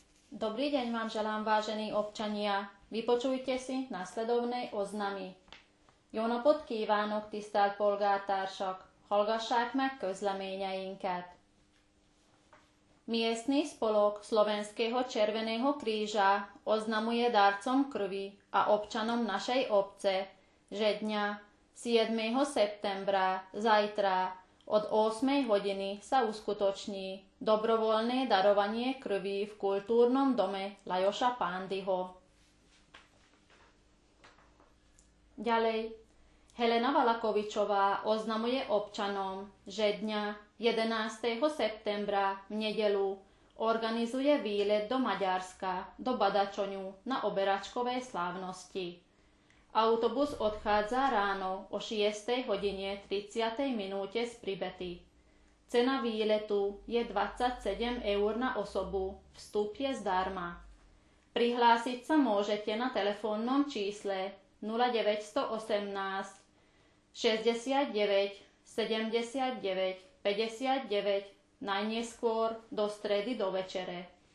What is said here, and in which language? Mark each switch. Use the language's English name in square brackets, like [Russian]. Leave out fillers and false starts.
[Slovak] Dobrý deň vám želám, vážení občania. Vypočujte si nasledovné oznamy. [Hungarian] Jóna podkívánok tisztelt polgártársak, hallgassák meg közleményeinket. [Slovak] Miestny spolok Slovenského Červeného kríža oznamuje darcom krvi a občanom našej obce, že dňa 7. septembra zajtra od 8. hodiny sa uskutoční dobrovoľné darovanie krvi v kultúrnom dome Lajoša Pándyho. Ďalej, Helena Valakovičová oznamuje občanom, že dňa 11. septembra v nedeľu organizuje výlet do Maďarska, do Badačoňu na oberačkové slávnosti. Autobus odchádza ráno o 6. hodine 30. minúte z Pribety. Cena výletu je 27 eur na osobu, vstup je zdarma. Prihlásiť sa môžete na telefónnom čísle 0918 69 79 59 najneskôr do stredy do večere.